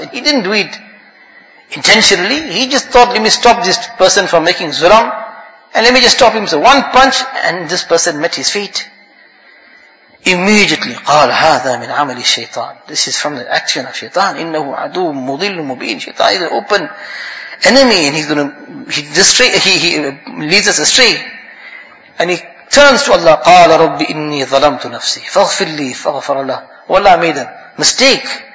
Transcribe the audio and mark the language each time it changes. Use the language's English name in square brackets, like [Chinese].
[English] And he didn't do it intentionally. He just thought, let me stop this person from making zulam. And let me just stop him. So one punch and this person met his fate. Immediately, [Arabic] قال هذا من عمل الشيطان. [English] This is from the action of Shaitan. [Arabic] إنه عدو مضل مبين. [English] Shaitan is an open enemy and he's gonna, he leads us astray. And he turns to Allah, [Arabic] قال رب إني ظلمت نفسي. فاغفر لي فغفر الله. [English] Allah made a mistake.